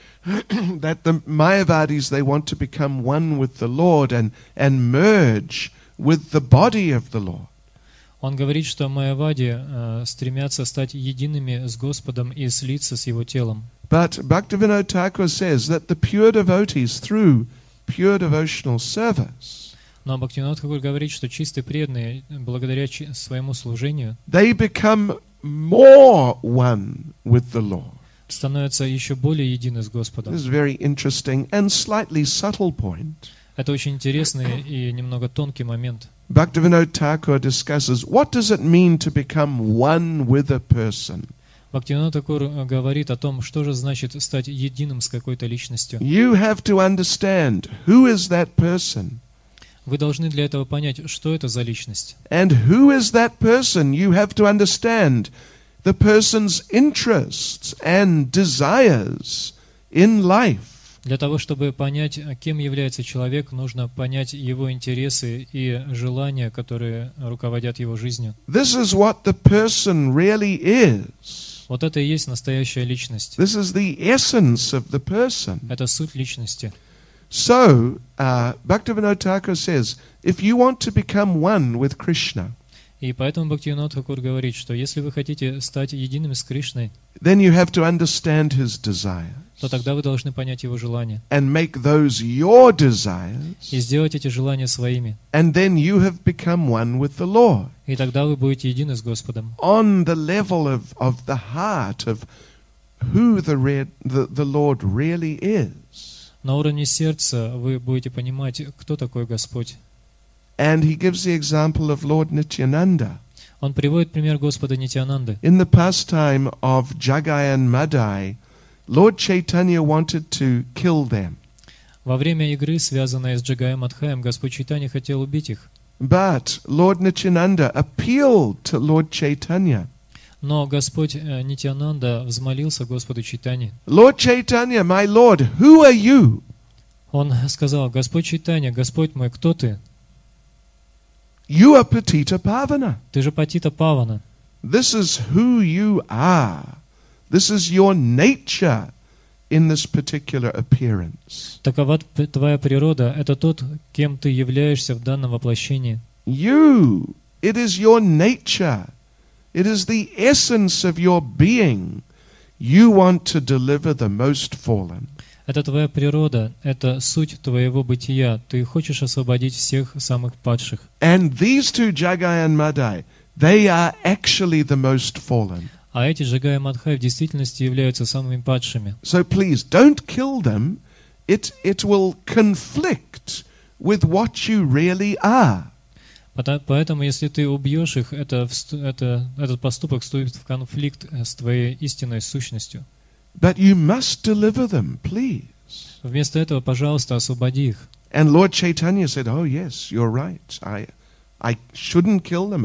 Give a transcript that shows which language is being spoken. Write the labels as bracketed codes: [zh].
[en] That the Mayavadis, they want to become one with the Lord and merge with the body of the Lord. [ru] Он говорит, что Майавади стремятся стать едиными с Господом и слиться с Его телом. [en] But Bhaktivinoda Thakur says that the pure devotees through pure devotional service. [ru] Но Бхактивинода Тхакур говорит, что чистые преданные благодаря своему служению. [en] They become more one with the Lord. [ru] Становятся еще более едины с Господом. [en] This is very interesting and slightly subtle point. [ru] Это очень интересный и немного тонкий момент. [en] Bhaktivinoda Thakur discusses what does it mean to become one with a person. [ru] Бхактивинода Такур говорит о том, что же значит стать единым с какой-то личностью. [en] You have to understand who is that person. [ru] Вы должны для этого понять, что это за личность. [en] And who is that person? You have to understand the person's interests and desires in life. [ru] Для того, чтобы понять, кем является человек, нужно понять его интересы и желания, которые руководят его жизнью. [en] This is what the person really is. [ru] Вот это и есть настоящая личность. [en] This is the essence of the person. [ru] Это суть личности. [en] So, Bhaktivinoda Thakur says, if you want to become one with Krishna, [ru] и поэтому Бхактивинода Тхакур говорит, что если вы хотите стать единым с Кришной, [en] then you have to understand his desire. [ru] То тогда вы должны понять его желания. [en] And make those your desires. [ru] И сделать эти желания своими. [en] And then you have become one with the Lord. [ru] И тогда вы будете едины с Господом. [en] On the level of the heart of who the Lord really is. [ru] На уровне сердца вы будете понимать, кто такой Господь. [en] And he gives the example of Lord Nityananda. [ru] Он приводит пример Господа Нитьянанды. [en] In the pastime of Jagai and Madai, Lord Chaitanya wanted to kill them. [ru] Во время игры, связанной с Джагаем Мадхаем, Господь Чайтанья хотел убить их. [en] But Lord Nityananda appealed to Lord Chaitanya. [ru] Но Господь Нитьянанда взмолился Господу Чайтанье. [en] Lord Chaitanya, my Lord, who are you? [ru] Он сказал: Господь Чайтанья, Господь мой, кто ты? [en] You are Patita Pavana. [ru] Ты же Патита Павана. [en] This is who you are. This is your nature in this particular appearance. [ru] Такова твоя природа. Это тот, кем ты являешься в данном воплощении. [en] You. It is your nature. It is the essence of your being. You want to deliver the most fallen. [ru] Это твоя природа. Это суть твоего бытия. Ты хочешь освободить всех самых падших. [en] And these two Jagai and Madai, they are actually the most fallen. [ru] А эти Джагай и Мадхай в действительности являются самыми падшими. [en] So please, don't kill them. It will conflict with what you really are. [ru] Поэтому, если ты убьешь их, этот поступок вступит в конфликт с твоей истинной сущностью. [en] But you must deliver them, please. [ru] Вместо этого, пожалуйста, освободи их. [en] And Lord Chaitanya said, oh yes, you're right, I shouldn't kill them.